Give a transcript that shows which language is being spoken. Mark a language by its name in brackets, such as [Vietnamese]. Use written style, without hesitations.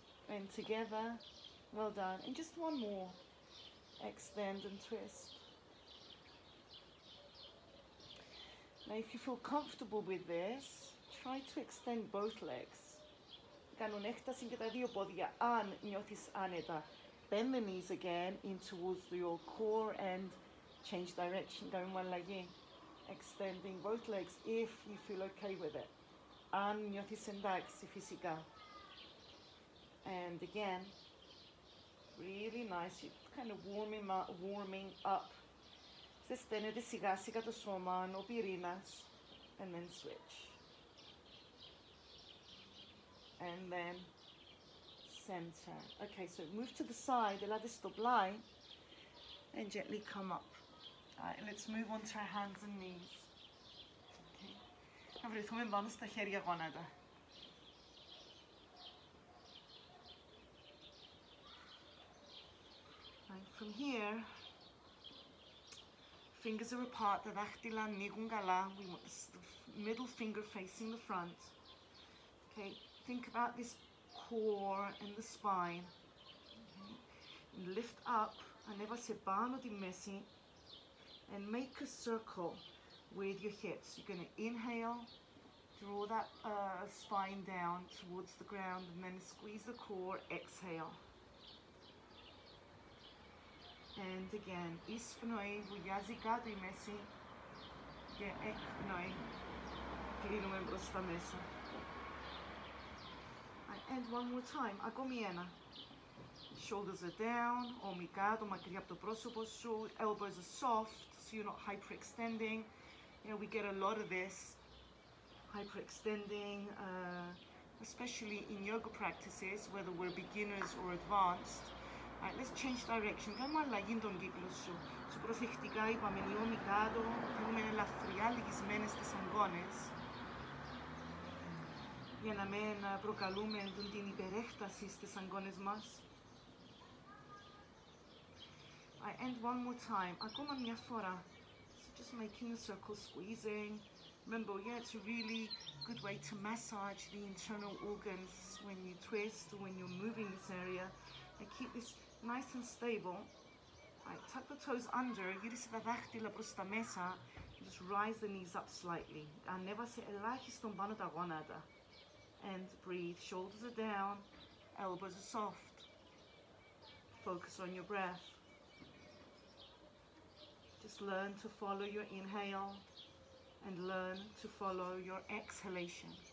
[English] And together, well done. And just one more. Extend and twist. Now if you feel comfortable with this, try to extend both legs. [Greek] Κάνουν έκταση και τα δύο πόδια, αν νιώθεις άνετα. [English] Bend the knees again in towards your core and change direction. [Greek] Κάνουμε αλλαγή. [English] Extending both legs if you feel okay with it. [Greek] Αν νιώθεις εντάξει φυσικά. [English] And again, really nice. You're kind of warming up. [Greek] Ζεσταίνεται σιγά σιγά το σώμα, ο πυρήνας. [English] And then switch. And then center. Okay, so move to the side, [Greek] ελάτε στο πλάι, [English] and gently come up. All right, let's move on to our hands and knees. [Greek] Okay. Να βρεθούμε πάνω στα χέρια γόνατα. [English] Right, from here, fingers are apart, [Greek] τα δάχτυλα ανοίγουν καλά. [English] We want the middle finger facing the front. Okay. Think about this core and the spine. Okay. And lift up, [Greek] ανέβασε πάνω τη μέση, [English] and make a circle with your hips. You're going to inhale, draw that spine down towards the ground, and then squeeze the core, exhale. And again, [Greek] εισπνοή, βουλιάζει κάτω η μέση, και εκπνοή, κλείνουμε μπρος στα μέσα. [English] And one more time, [Greek] ακόμη ένα. [English] Shoulders are down, [Greek] ώμοι κάτω, μακριά από το πρόσωπο σου. [English] Elbows are soft, so you're not hyperextending. You know, we get a lot of this hyperextending, especially in yoga practices, whether we're beginners or advanced. All right, let's change direction. [Greek] Κάνουμε αλλαγή τον κύκλο σου. Σου προσεκτικά είπαμε, ώμοι κάτω, θέλουμε ελαφριά λυγισμένες τις αγκώνες. Για να μην προκαλούμε την υπερέκταση στις αγκώνες μας. [English] I end one more time. [Greek] Ακόμα μια φορά. [English] So just making a circle, squeezing. Remember, yeah, it's a really good way to massage the internal organs when you twist or when you're moving this area. And keep this nice and stable. Right, tuck the toes under, [Greek] γύρισε τα δάχτυλα προς τα μέσα. [English] Just rise the knees up slightly. [Greek] Ανέβασε ελάχιστον πάνω τα γόνατα. [English] And breathe, shoulders are down, elbows are soft. Focus on your breath. Just learn to follow your inhale and learn to follow your exhalation.